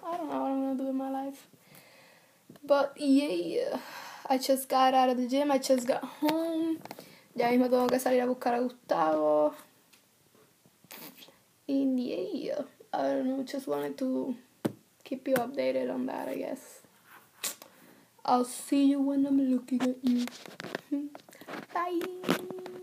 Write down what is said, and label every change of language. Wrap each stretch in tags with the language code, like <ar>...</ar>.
<en>I don't know what I'm gonna do in my life. But yeah, I just got out of the gym. I just got home.</en> <es>Ya mismo tengo que salir a buscar a Gustavo.</es> <en>And yeah, I don't know. Just wanted to keep you updated on that, I guess. I'll see you when I'm looking at you. Bye.</en>